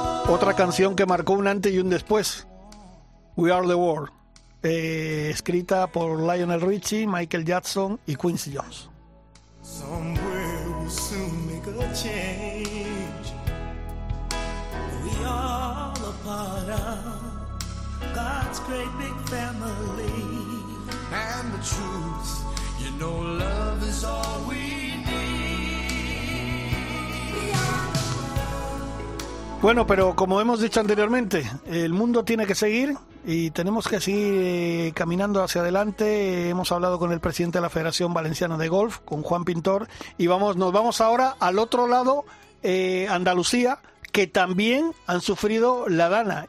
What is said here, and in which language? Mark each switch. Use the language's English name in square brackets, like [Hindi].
[Spanish] Otra canción que marcó un antes y un después, We Are The World, escrita por Lionel Richie, Michael Jackson y Quincy Jones. [English] Somewhere we'll soon make a change. We are a part of God's great big family. And the truth, you know love is all we need. [Spanish] Bueno, pero como hemos dicho anteriormente, el mundo tiene que seguir y tenemos que seguir caminando hacia adelante. Hemos hablado con el presidente de la Federación Valenciana de Golf, con Juan Pintor, y nos vamos ahora al otro lado, Andalucía, que también han sufrido la dana.